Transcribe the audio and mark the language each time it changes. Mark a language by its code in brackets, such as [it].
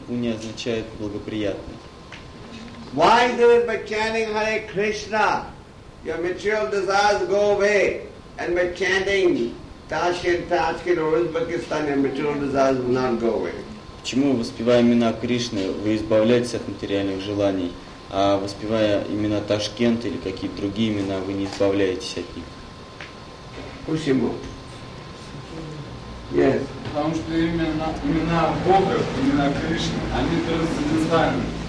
[ru] Пунья означает благоприятный. [en] Why is it by chanting Hare Krishna your material desires go away, and by chanting Tashkent, Tashkent or Uzbekistan your material desires will not go away? [ru] Почему, воспевая имена Кришны, вы избавляетесь от материальных желаний, а воспевая имена Ташкент или какие-то другие имена, вы не избавляетесь от них? Почему? [en] Yes. [ru] Потому что имена Бога, имена Кришны, они трансцендентальны.